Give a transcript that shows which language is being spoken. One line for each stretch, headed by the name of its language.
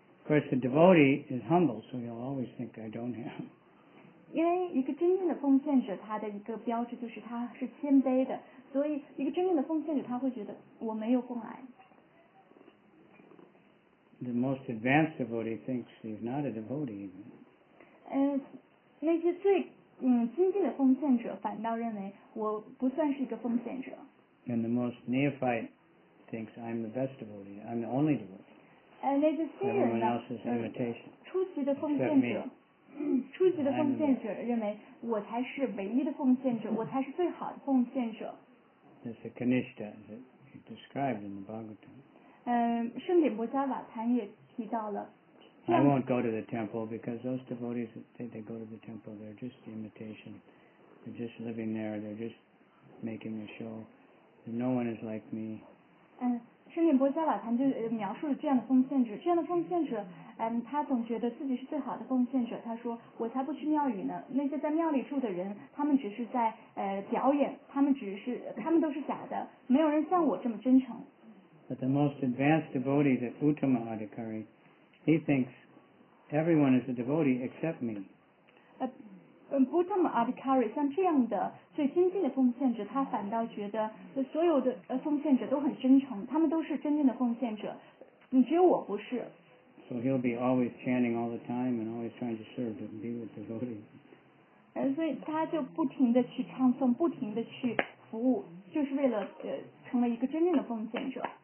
English: Of course, the devotee is humble, so you'll always think I don't have.
Chinese: 因为一个真正的奉献者，他的一个标志就是他是谦卑的，所以一个真正的奉献者他会觉得我没有奉献。
English: The most advanced devotee thinks he's not a devotee even.
Chinese: 那些最精进的奉献者反倒认为我不算是一个奉献者。
English: And the most neophyte thinks I'm the best devotee. I'm the only devotee.
Chinese: 那些新人呢？
English: Everyone else is imitation.
Chinese: 初级的奉献者，初级的奉献者认为我才是唯一的奉献者，我才是最好的奉献者。
English: It's a kanishta that you described in the Bhagavatam.
Chinese: 圣典波迦瓦坛也提到了。
English: I won't go to the temple because those devotees they go to the temple they're just imitation, they're just living there, they're just making a show. No one is like me.
Chinese: 圣殿波迦瓦坛就描述了这样的奉献者，这样的奉献者，嗯，他总觉得自己是最好的奉献者。他说：“我才不去庙宇呢，那些在庙里住的人，他们只是在表演，他们都是假的，没有人像我这么真诚。”
English: But the most advanced devotees at Uttama Adhikari, he thinks everyone is a devotee except me.
Chinese: Uttama Adhikari, 像这样的最亲近的奉献者，他反倒觉得所有的奉献者都很真诚，他们都是真正的奉献者，你只有我不是。
English: So he'll be always chanting all the time and always trying to serve and be with devotees.
Chinese: 所以他就不停地去唱诵，不停地去服务，就是为了成为一个真正的奉献者。